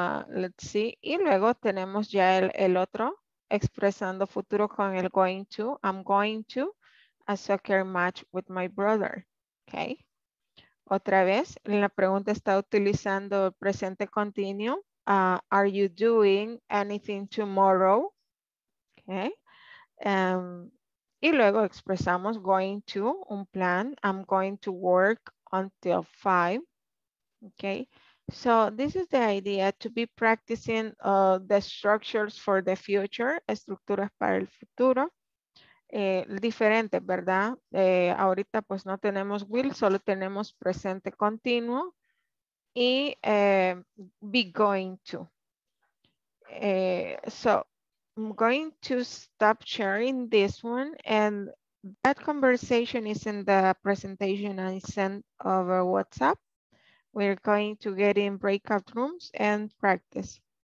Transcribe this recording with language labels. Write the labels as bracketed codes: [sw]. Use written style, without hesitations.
[en] Let's see. [es] Y luego tenemos ya el otro expresando futuro con el going to. [en] I'm going to a soccer match with my brother. Okay. [es] Otra vez, la pregunta está utilizando el presente continuo. [en] Are you doing anything tomorrow? Okay. [es] Y luego expresamos going to, un plan. [en] I'm going to work until 5. [es] Okay. [en] So this is the idea, to be practicing the structures for the future, [es] estructuras para el futuro. Diferente, ¿verdad? Ahorita pues no tenemos will, solo tenemos presente continuo y be going to. [en] So I'm going to stop sharing this one, and that conversation is in the presentation I sent over WhatsApp. We're going to get in breakout rooms and practice.